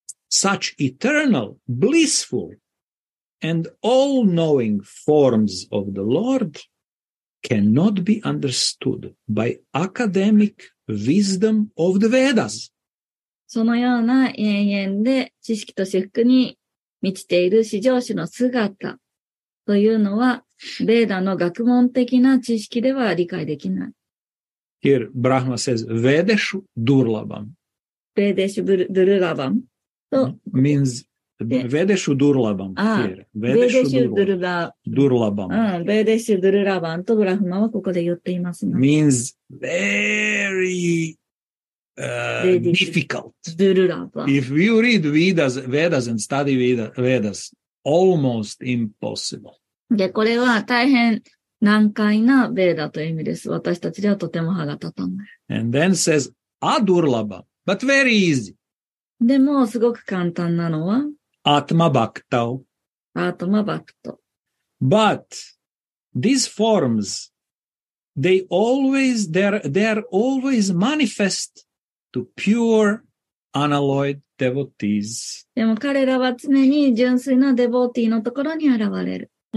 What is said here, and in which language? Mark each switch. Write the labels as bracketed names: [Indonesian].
[English] Such eternal, blissful, and all-knowing forms of the Lord cannot be understood by academic wisdom of the Vedas. [Japanese] そのような永遠で知識と至福に満ちている至上主の姿というのは、ベーダの学問的な知識では理解できない。 [English] Here, Brahma says, [Sanskrit] Vedeshu Durlabham. Vedeshu Durlabham. Means Vedeshu Durlabham. Vedeshu Durlabham. [Japanese] とブラフマはここで言っています。 [English] Means very difficult. If you read Vedas and study Vedas, almost impossible. [Japanese] で、これは大変難解なベーダという意味です。私たちではとても歯が立たない。 [English] And then says, Adurlabham, but very easy. [Japanese] でも、すごく簡単なのは、 [Sanskrit] アトマバクト。アトマバクト。 [English] But, these forms, they are always manifest to pure unalloyed devotees. [Japanese] でも彼らは常に純粋なデボーティーのところに現れる。